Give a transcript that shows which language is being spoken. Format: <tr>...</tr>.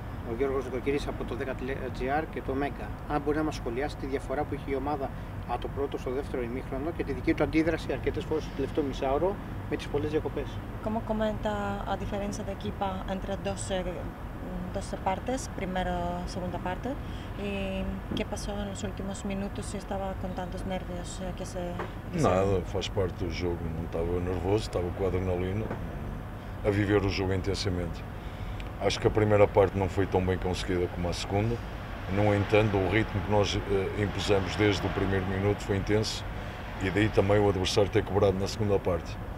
<el>Ο Γιώργος Νοικοκύρης από το 10.gr και το Μέγκα. Αν μπορεί να μας σχολιάσει τη διαφορά που είχε η ομάδα από το πρώτο στο δεύτερο ημίχρονο και τη δική του αντίδραση αρκετές φορές στο τελευταίο μισάωρο με τις πολλές διακοπές.</el> <es>Como comenta a diferencia de equipa entre dos partes, primero, segunda parte, y qué pasó en los últimos minutos y estaba con tantos nervios que se...</es> <pt>Nada, faz parte do jogo, não estava nervoso, estava com adrenalina, a viver o jogo intensamente. Acho que a primeira parte não foi tão bem conseguida como a segunda, no entanto, o ritmo que nós impusemos desde o primeiro minuto foi intenso, e daí também o adversário ter cobrado na segunda parte.</pt>